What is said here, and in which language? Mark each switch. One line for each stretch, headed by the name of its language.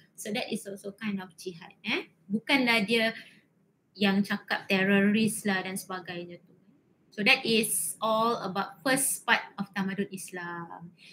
English: So that is also kind of jihad eh.
Malay: Bukanlah dia yang cakap teroris lah dan sebagainya tu.
English: So that is all about first part of Tamadun Islam.